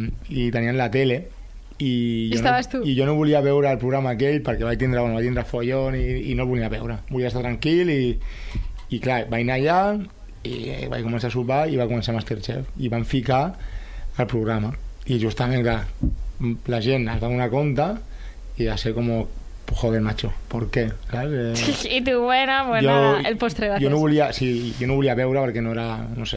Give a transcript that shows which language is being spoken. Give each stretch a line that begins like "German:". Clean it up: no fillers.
Catalan: i tenien la tele, i jo no volia veure el programa aquell perquè vaig tindre follon, i no el volia veure, volia estar tranquil, i clar, vaig anar allà i vaig començar a sopar, i va començar Masterchef, i van ficar el programa, i justament clar, la gent es va donar compte i va ser com...
Spanish: Joder, macho, ¿por qué?
Catalan: I tu,
Spanish: bueno, el postre, gracias.
Catalan: Jo no volia veure perquè no era, no sé.